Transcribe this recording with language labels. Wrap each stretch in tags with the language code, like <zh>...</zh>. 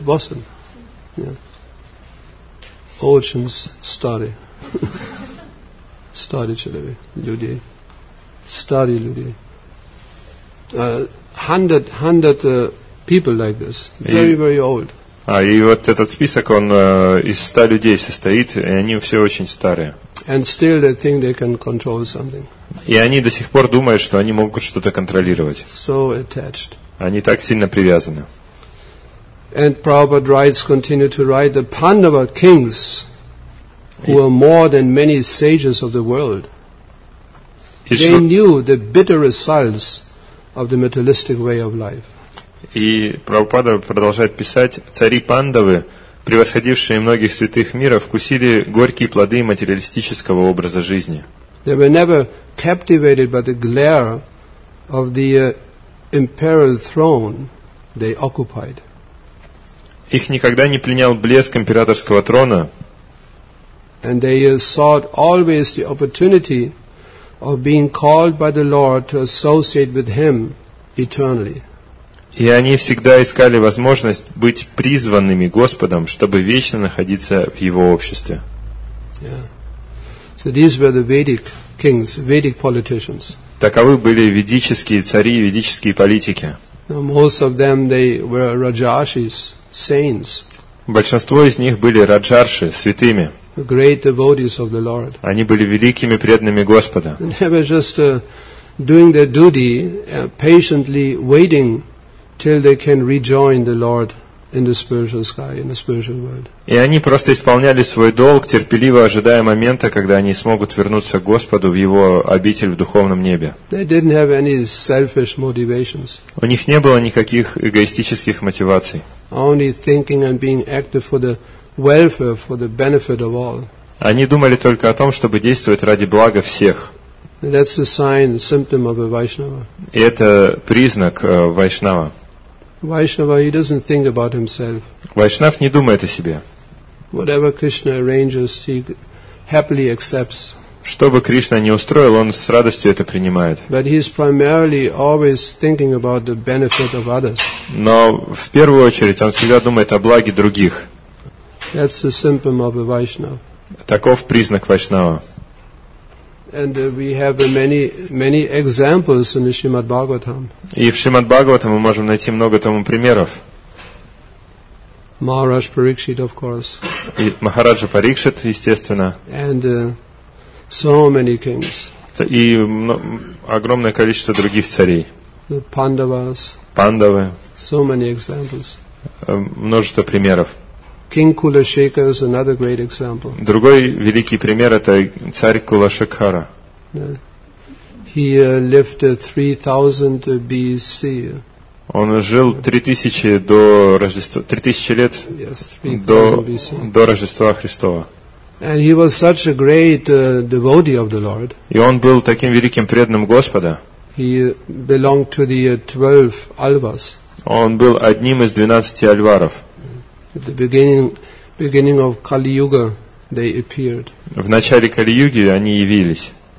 <ru>Boston. Yeah. Очень старый. Старый человек. Люди. Старые люди.</ru> <en>100 people like this. Very, very old.</en> <ru>И вот этот список, он из 100 людей состоит, и они все очень старые.</ru> <en>And still they think they can control something.</en> <ru>И они до сих пор думают, что они могут что-то контролировать.</ru> <en>So attached.</en> <ru>Они так сильно привязаны.</ru> <en>And Prabhupada writes, continue to write, the Pandava kings, who are more than many sages of the world, they knew the bitter results of the materialistic way of life.</en> <ru>И Прабхупада продолжает писать, цари Пандавы, превосходившие многих святых мира, вкусили горькие плоды материалистического образа жизни.</ru> <en>They were never captivated by the glare of the imperial throne they occupied.</en> <ru>Их никогда не пленял блеск императорского трона.</ru> <en>And they sought always the opportunity of being called by the Lord to associate with Him eternally.</en> <ru>И они всегда искали возможность быть призванными Господом, чтобы вечно находиться в Его обществе.</ru> <en>Yeah. So these were the Vedic kings, Vedic politicians.</en> <ru>Таковы были ведические цари, ведические политики.</ru> <en>Most of them, they were Rajarshis, saints.</en> <ru>Большинство из них были Раджарши, святыми.</ru> <en>The great devotees of the Lord.</en> <ru>Они были великими преданными Господа.</ru> <en>They were just doing their duty, patiently waiting till they can rejoin the Lord in the spiritual sky, in the spiritual world.</en> <ru>И они просто исполняли свой долг, терпеливо ожидая момента, когда они смогут вернуться к Господу в Его обитель в духовном небе.</ru> <en>They didn't have any selfish motivations.</en> <ru>У них не было никаких эгоистических мотиваций.</ru> <en>Only thinking and being active for the welfare, for the benefit of all.</en> <ru>Они думали только о том, чтобы действовать ради блага всех.</ru> <en>That's a sign, a symptom of a Vaishnava.</en> <ru>И это признак Вайшнава.</ru> <en>Vaishnava, he doesn't think about himself.</en> <ru>Вайшнав не думает о себе.</ru> <en>Whatever Krishna arranges, he happily accepts.</en> <ru>Что бы Кришна ни устроил, он с радостью это принимает.</ru> <en>But he is primarily always thinking about the benefit of others.</en> <ru>Но в первую очередь он всегда думает о благе других.</ru> <en>That's a symptom of a Vaishnava.</en> <ru>Таков признак Вайшнава.</ru> <en>And we have many examples in the Shrimad Bhagavatam.</en> <ru>И в Шримад Бхагаватам мы можем найти много тому примеров.</ru> <en>Maharaj Parikshit, of course.</en> <ru>И Махараджа Парикшит, естественно.</ru> <en>And So many kings.</en> <ru>И огромное количество других царей.</ru> <en>The Pandavas.</en> <ru>Пандавы.</ru> <en>So many examples.</en> <ru>Множество примеров.</ru> <en>King Kulashekara is another great example.</en> <ru>Другой великий пример — это царь Кулашекара.</ru> <en>He lived 3000 BC.</en> <ru>Он жил 3000 до Рождества, 3000 лет до Рождества Христова.</ru> <en>And he was such a great devotee of the Lord.</en> <ru>И он был таким великим преданным Господа.</ru> <en>He belonged to the 12 Alvas.</en> <ru>Он был одним из 12 Альваров.</ru> <en>At the beginning of Kali Yuga, they appeared.</en> <ru>В начале Кали-юги они явились.</ru>